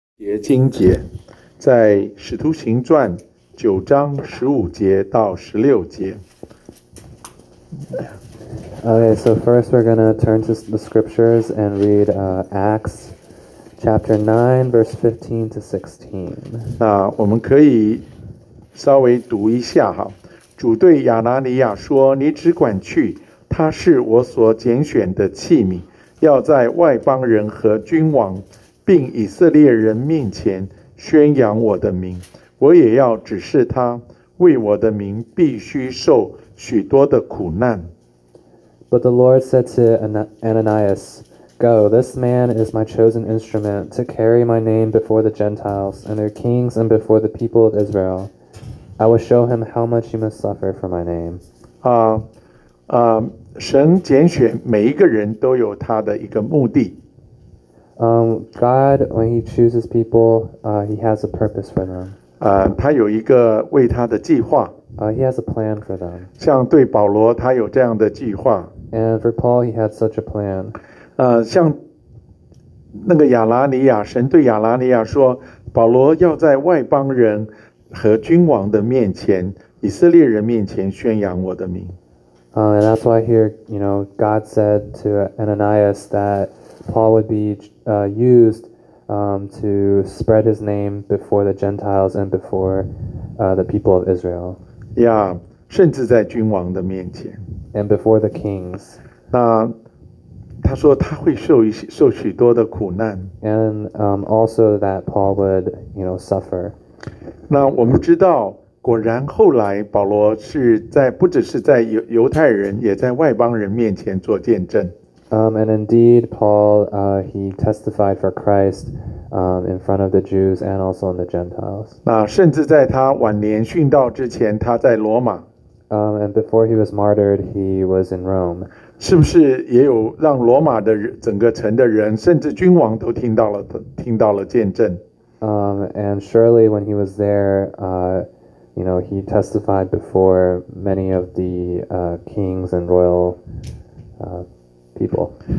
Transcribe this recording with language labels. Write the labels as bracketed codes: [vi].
[zh] 节经节，在《使徒行传》九章十五节到十六节。 [en] Okay, so first we're going to turn to the scriptures and read Acts chapter 9, verse 15 to 16. [zh] 那我们可以稍微读一下哈。主对亚拿尼亚说，你只管去，他是我所拣选的器皿，要在外邦人和君王并以色列人面前宣扬我的名，我也要指示他为我的名必须受许多的苦难。 [en] But the Lord said to Ananias, Go, this man is my chosen instrument to carry my name before the Gentiles and their kings and before the people of Israel. I will show him how much he must suffer for my name. [zh] 神拣选每一个人都有他的一个目的。 [en] God, when he chooses people, he has a purpose for them. [zh] 他有一个为他的计划。 [en] He has a plan for them. [zh] 像对保罗，他有这样的计划。 [en] And for Paul, he had such a plan. [zh] 像那个亚拿尼亚，神对亚拿尼亚说，保罗要在外邦人和君王的面前，以色列人面前宣扬我的名。 [en] And that's why here, you know, God said to Ananias that Paul would be used to spread his name before the Gentiles and before the people of Israel. [zh] Yeah, 甚至在君王的面前。 [en] And before the kings. [zh] 那他说他会受许多的苦难。 [en] And also that Paul would, you know, suffer. [zh] 那我们知道果然后来保罗是在不只是在犹太人也在外邦人面前做见证。 [en] And indeed, Paul, he testified for Christ in front of the Jews and also in the Gentiles. [zh] 那甚至在他晚年殉道之前他在罗马。 [en] And before he was martyred, he was in Rome. [zh] 是不是也有让罗马的整个城的人甚至君王都听到了见证。 [en] And surely when he was there, you know, he testified before many of the kings and royal people.